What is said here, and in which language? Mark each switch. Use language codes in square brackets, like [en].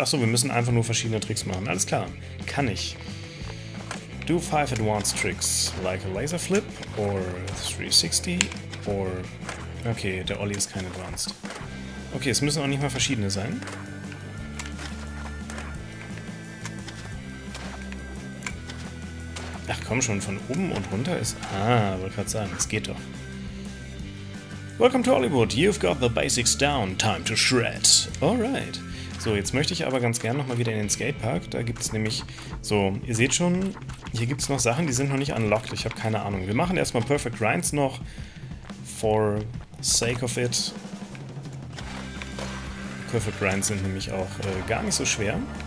[de] Achso, wir müssen einfach nur verschiedene Tricks machen. Alles klar, kann ich. [en] Do 5 advanced tricks, like a laser flip or 360 or... [de] Okay, der Olli ist kein advanced. Okay, es müssen auch nicht mal verschiedene sein. Ach komm schon, von oben und runter ist... Ah, wollte gerade sagen, es geht doch. [en] Welcome to Hollywood, you've got the basics down, time to shred. Alright. [de] So, jetzt möchte ich aber ganz gerne nochmal wieder in den Skatepark. Da gibt es nämlich... So, ihr seht schon, hier gibt es noch Sachen, die sind noch nicht unlocked. Ich habe keine Ahnung. Wir machen erstmal Perfect Grinds noch. [en] For sake of it. [de] Perfect Grinds sind nämlich auch gar nicht so schwer.